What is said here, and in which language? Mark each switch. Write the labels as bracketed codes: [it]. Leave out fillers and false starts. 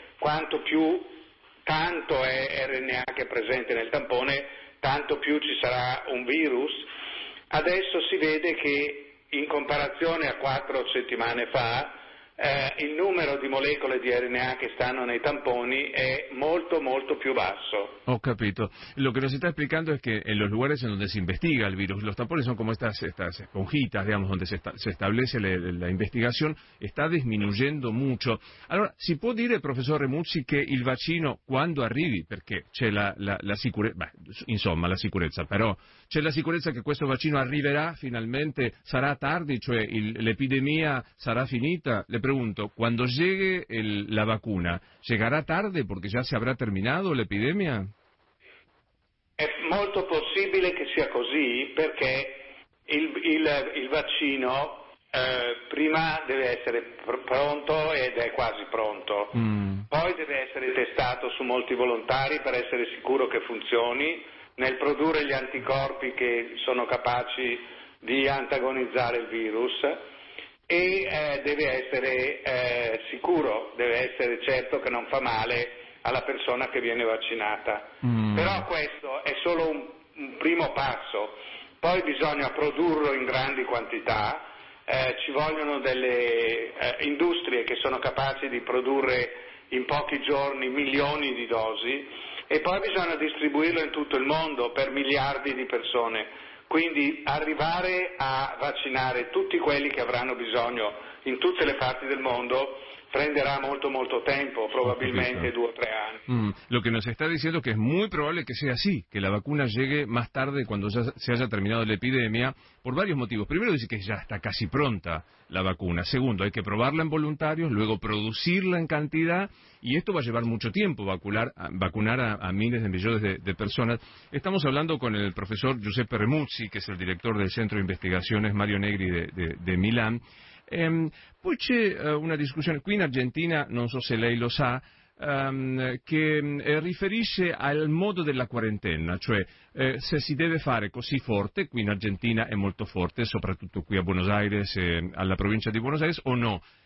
[it] Quanto più tanto è RNA che è presente nel tampone, tanto più ci sarà un virus. Adesso si vede che, in comparazione a 4 settimane fa, il numero di molecole di RNA che stanno nei tamponi è molto molto più basso. Ho capito. [es] Lo che nos [it] sta spiegando [es] è che in los lugares en donde se investiga el virus, los tampones son como estas esponjitas, digamos, donde se establece la investigación, está disminuyendo mucho. [it] Allora, si può dire, professor Remuzzi, che il vaccino quando arrivi, perché c'è la sicurezza, insomma, la sicurezza, però c'è la sicurezza che questo vaccino arriverà finalmente, sarà tardi, cioè l'epidemia sarà finita? [es] Le pregunto, cuando llegue la vacuna, ¿llegará tarde porque ya se habrá terminado la epidemia? Es muy posible que sea así, porque el [it] vaccino prima [es] debe ser pronto, ed es casi pronto. [it] Poi [es] debe ser [it] testado su molti volontari [es] para ser [it] sicuro que funzioni nel produrre gli anticorpi che sono capaci di antagonizzare il virus. E deve essere sicuro, deve essere certo che non fa male alla persona che viene vaccinata. Però questo è solo un primo passo, poi bisogna produrlo in grandi quantità, ci vogliono delle industrie che sono capaci di produrre in pochi giorni milioni di dosi, e poi bisogna distribuirlo in tutto il mondo per miliardi di persone. Quindi arrivare a vaccinare tutti quelli che avranno bisogno in tutte le parti del mondo prenderà molto molto tempo, probabilmente 2 o 3 anni. [es] Lo che nos está diciendo es que es muy probable que sea así, que la vacuna llegue más tarde cuando ya se haya terminado la epidemia, por varios motivos. Primero, dice que ya está casi pronta la vacuna. Segundo, hay que probarla en voluntarios, luego producirla en cantidad, y esto va a llevar mucho tiempo, vacunar a miles de millones de personas. Estamos hablando con el profesor Giuseppe Remuzzi, que es el director del Centro de Investigaciones Mario Negri de Milán. [it] Poi c'è una discussione qui in Argentina, non so se lei lo sa, che riferisce al modo della quarantena, cioè se si deve fare così forte, qui in Argentina è molto forte, soprattutto qui a Buenos Aires, alla provincia di Buenos Aires, o no.